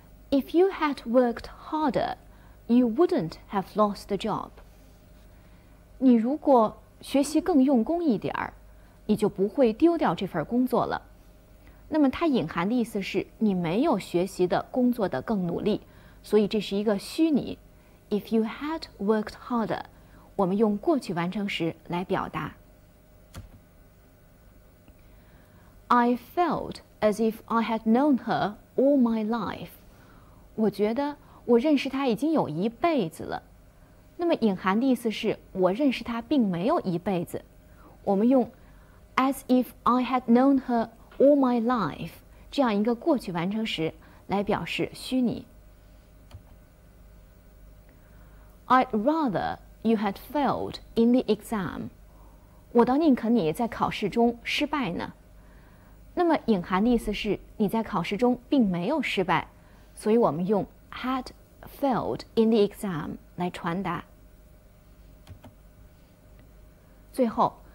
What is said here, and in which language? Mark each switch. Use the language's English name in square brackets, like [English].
[English] If you had worked harder, you wouldn't have lost the job. [Chinese] 你如果学习更用功一点儿，你就不会丢掉这份工作了。那么它隐含的意思是你没有学习的工作的更努力，所以这是一个虚拟。 [English] If you had worked harder, [Chinese] 我们用过去完成时来表达。 [English] I felt as if I had known her all my life. [Chinese] 我觉得我认识她已经有一辈子了。那么隐含的意思是我认识她并没有一辈子。我们用 [English] as if I had known her all my life [Chinese] 这样一个过去完成时来表示虚拟。 [English] I'd rather you had failed in the exam. [Chinese] 我倒宁可你在考试中失败呢。那么隐含的意思是你在考试中并没有失败，所以我们用 [English] had failed in the exam [Chinese] 来传达。最后